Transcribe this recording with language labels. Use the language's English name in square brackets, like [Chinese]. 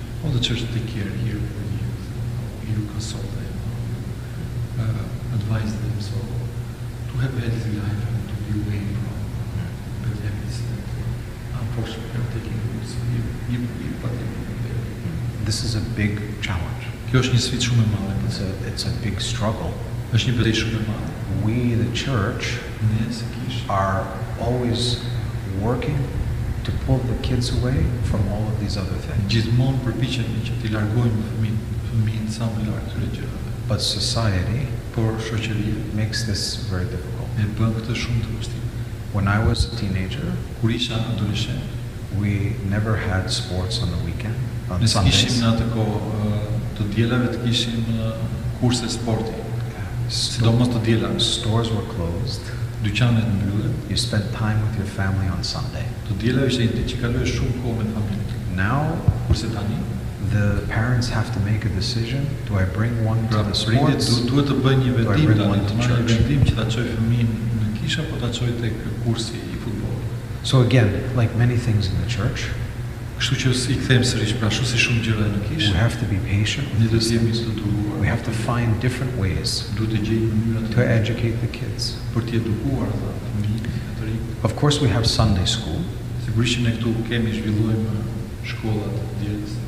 [English] All the churches take care here for the youth. You consult them, advise them, so to have a healthy life and to be away from bad habits. Unfortunately, I'm taking roots here, but they're not there. This is a big challenge. [Albanian] Kjo është një sfidë shumë e madhe. [English] It's a big struggle. [Albanian] Është një betejë shumë e madhe. [English] We, the church, are always working to pull the kids away from all of these other things. [Albanian] Gjithmonë përpiqemi që t'i largojmë fëmijën sa më larg këtyre gjërave. [English] But society, [Albanian] por shoqëria, [English] makes this very difficult. [Albanian] E bën këtë shumë të vështirë. [English] When I was a teenager, [Albanian] kur isha adoleshent, [English] we never had sports on the weekend. [Albanian] Ne kishim në atë kohë të dielave të kishim kurse sporti. Sidomos të dielave. [English] Stores were closed. [Albanian] Dyqanet mbyllen. [English] You spent time with your family on Sunday. [Albanian] Të dielave ishte ditë që kaloj shumë kohë me familjen. [English] Now, [Albanian] kurse tani, [English] the parents have to make a decision, do I bring one to the sports? [Albanian] Duhet të bëj një vendim, [English] do I bring one to church? [Albanian] Vendim që ta çoj fëmijën në kishë apo ta çoj tek kursi I futbollit. [English] So again, like many things in the church, [Albanian] kështu që I kthejmë sërish, pra ashtu si shumë gjëra në kishë. [English] We have to be patient. [Albanian] Ne duhet të jemi të duruar. [English] We have to find different ways. [Albanian] Duhet të gjejmë mënyra [English] to educate the kids. [Albanian] Për të edukuar ata fëmijët e tjerë. [English] Of course we have Sunday school. [Albanian] Sigurisht ne këtu kemi zhvilluar shkollat djeles.